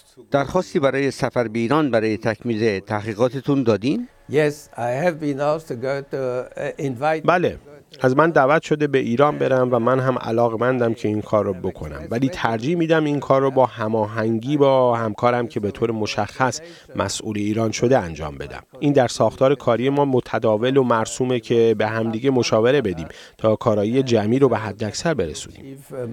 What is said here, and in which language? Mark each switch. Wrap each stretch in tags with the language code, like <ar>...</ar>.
<fa>درخواستی برای سفر به ایران برای تکمیل تحقیقاتتون دادین؟</fa> <en>Yes, I have been asked to go to invite.</en> <fa>بله. از من دعوت شده به ایران برم و من هم علاقمندم که این کار رو بکنم. ولی ترجیح میدم این کار رو با هماهنگی با همکارم که به طور مشخص مسئول ایران شده انجام بدم. این در ساختار کاری ما متداول و مرسومه که به همدیگه مشاوره بدیم تا کارایی جمعی رو به حد اکثر برسونیم.</fa>